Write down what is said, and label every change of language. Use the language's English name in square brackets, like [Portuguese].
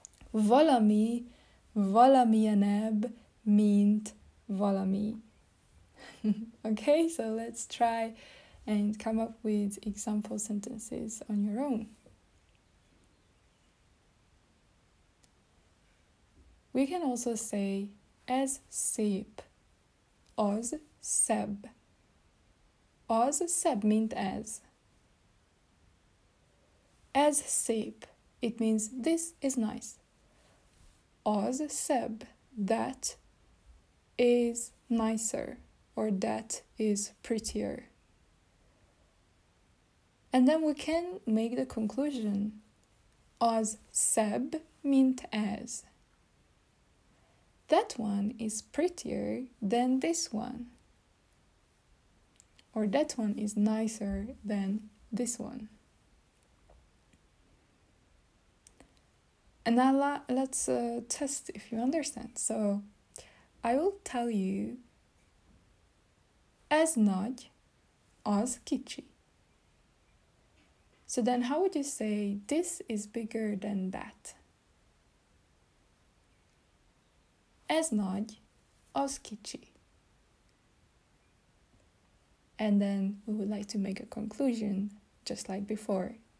[Hungarian] Valami, valamienebb, mint valami. [English] Okay, so let's try and come up with example sentences on your own. We can also say [Hungarian] ez szép, az szebb. Az szebb, mint ez. Ez szép, [English] it means this is nice. [Hungarian] Az szebb, [English] that is nicer, or that is prettier. And then we can make the conclusion. [Hungarian] Az szebb, mint ez. [English] That one is prettier than this one. Or that one is nicer than this one. And now let's test if you understand. So I will tell you [Hungarian] ez nagy, az kicsi. [English] So then how would you say this is bigger than that? [Hungarian] Ez nagy, az kicsi. [English] And then we would like to make a conclusion, just like before.